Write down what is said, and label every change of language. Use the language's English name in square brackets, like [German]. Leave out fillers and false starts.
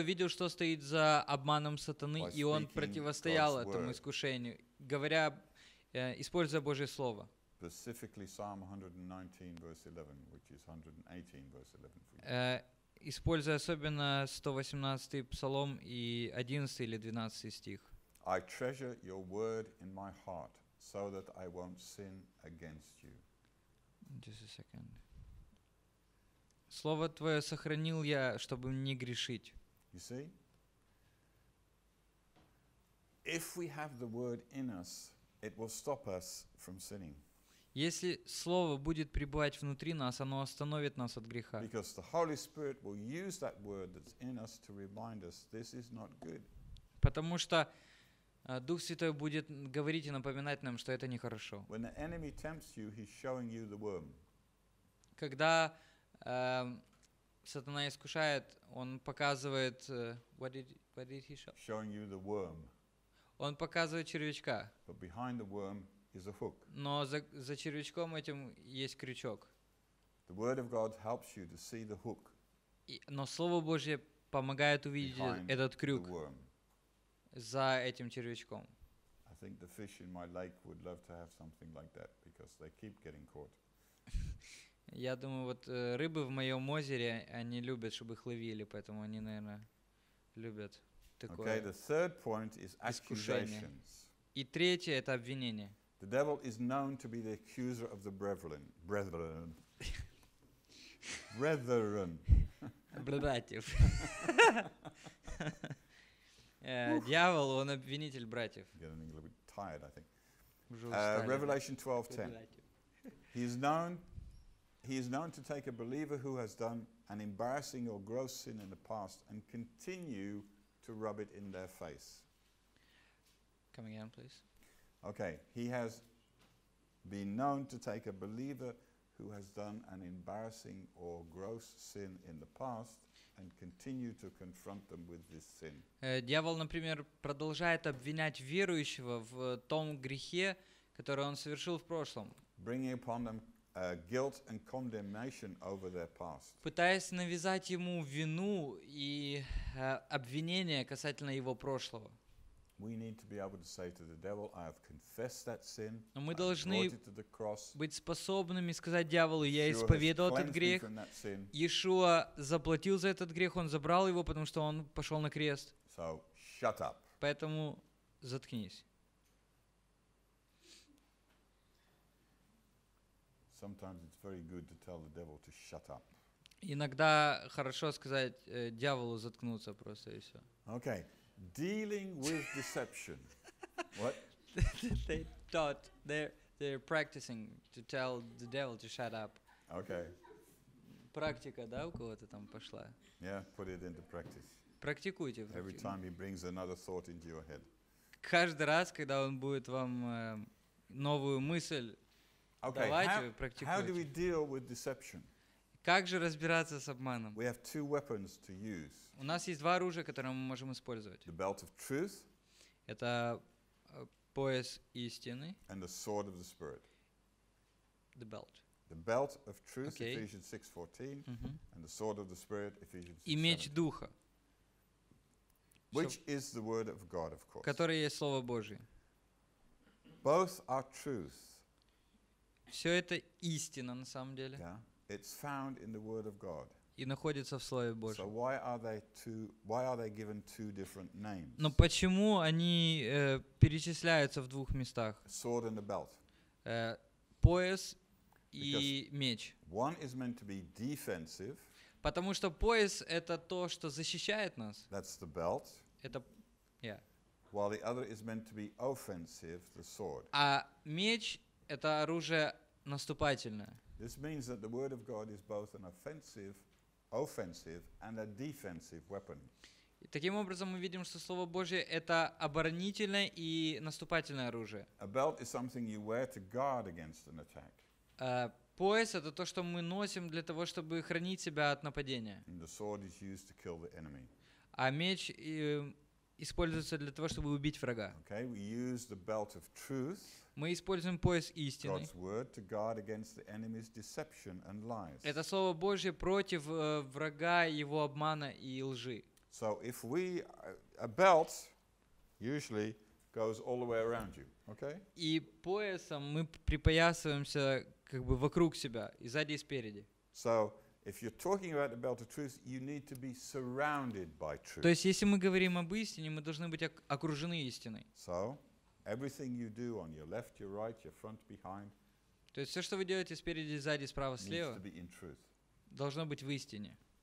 [Russian] видел, что стоит за обманом сатаны, и он противостоял этому искушению, говоря, используя Божье Слово. [English] Specifically Psalm 119, verse 11, which is 118, verse 11 for you. [Russian] Используя особенно 118-й псалом и 11 или 12 стих. [English] I treasure your word in my heart so that I won't sin against you. Just a second. [Russian] Слово твое сохранил я, чтобы не грешить. [English] You see? If we have the word in us, it will stop us from sinning. [Russian] Если Слово будет пребывать внутри нас, оно остановит нас от греха. [English] Because the Holy Spirit will use that word that's in us to remind us this is not good. [Russian] Потому что Дух Святой будет говорить и напоминать нам, что это нехорошо. [English] When the enemy tempts you, he's showing you the worm. [Russian] Когда сатана искушает, он показывает [English] what did he show? Showing you the worm. [Russian] Он показывает червячка. [English] But behind the worm is a hook. [Russian] Но за червячком этим есть крючок. [English] The word of God helps you to see the hook. [Russian] Но Слово Божье помогает увидеть этот крюк за этим червячком. [English] I think the fish in my lake would love to have something like that because they keep getting caught. [Russian] Я думаю, вот рыбы в моем озере, они любят, чтобы их ловили, поэтому они, наверное, любят такое. [English] Okay, the third point is accusations. [Russian] И третье — это обвинение. [English] The devil is known to be the accuser of the brethren. Brethren. Brethren. [Russian] Братьев. Дьявол, он обвинитель братьев. [English] Getting a little bit tired, I think. Revelation 12:10. He is known to take a believer who has done an embarrassing or gross sin in the past and continue to rub it in their face. Come again, please. Okay, he has been known to take a believer who has done an embarrassing or gross sin in the past and continue to confront them with this sin. [Russian] Дьявол, например, продолжает обвинять верующего в том грехе, который он совершил в прошлом. [English] Bringing upon them guilt and condemnation over their past. [Russian] Пытаясь навязать ему вину и обвинение касательно его прошлого. [English] We need to be able to say to the devil, I have confessed that sin. [Russian] Но мы должны [English] brought it to the cross. [Russian] Быть способными сказать дьяволу: я исповедовал этот грех. Иешуа заплатил за этот грех, он забрал его, потому что он пошел на крест. [English] So shut up. [Russian] Поэтому заткнись. [English] Sometimes it's very good to tell the devil to shut up. [Russian] Иногда хорошо сказать дьяволу заткнуться просто, и все. [English] Okay. Dealing with deception. What? They taught, they're practicing to tell the devil to shut up. Okay. [Russian] Практика, да, у кого-то там пошла? [English] Yeah, put it into practice. [Russian] Практикуйте. [English] Every time he brings another thought into your head. [Russian] Каждый раз, когда он будет вам новую мысль Okay, давайте практикуйте. [English] How do we deal with deception? [Russian] Как же разбираться с обманом? [English] We have two weapons to use. [Russian] У нас есть два оружия, которые мы можем использовать. [English] The belt of truth. [Russian] Это пояс истины. [English] And the sword of the spirit. The belt. The belt of truth, okay. Ephesians 6:14, mm-hmm. And the sword of the spirit, Ephesians 6:17. [Russian] И меч духа. [English] Which is the word of God, of course. [Russian] Которое есть слово Божие. [English] Both are truth. [Russian] Все это истина на самом деле. [English] Yeah. It's found in the word of God. [Russian] И находится в слове Божьем. [English] So why are they given two different names? [Russian] Но почему они перечисляются в двух местах? [English] Sword and the belt. [Russian] Пояс и меч. [English] One is meant to be defensive. [Russian] Потому что пояс — это то, что защищает нас. [English] That's the belt. [Russian] Это, yeah. [English] While the other is meant to be offensive, the sword. [Russian] А меч — это оружие наступательное. [English] This means that the word of God is both an offensive and a defensive weapon. [Russian] Таким образом, мы видим, что слово Божье — это оборонительное и наступательное оружие. [English] A belt is something you wear to guard against an attack. [Russian] Пояс — это то, что мы носим для того, чтобы хранить себя от нападения. [English] And the sword is used to kill the enemy. [Russian] А меч используется для того, чтобы убить врага. [English] Okay, we use the belt of truth. [Russian] Мы используем пояс истины. [English] God's word to guard against the enemy's deception and lies. [Russian] Это слово Божье против врага, его обмана и лжи. [English] So if we a belt usually goes all the way around you, okay? [Russian] И поясом мы припоясываемся как бы вокруг себя, и сзади, и спереди. [English] So if you're talking about the belt of truth, you need to be surrounded by truth. [Russian] То есть если мы говорим об истине, мы должны быть окружены истиной. [English] So everything you do on your left, your right, your front, behind. [Russian] То есть все, что вы делаете спереди, сзади, справа, слева, должно быть в истине.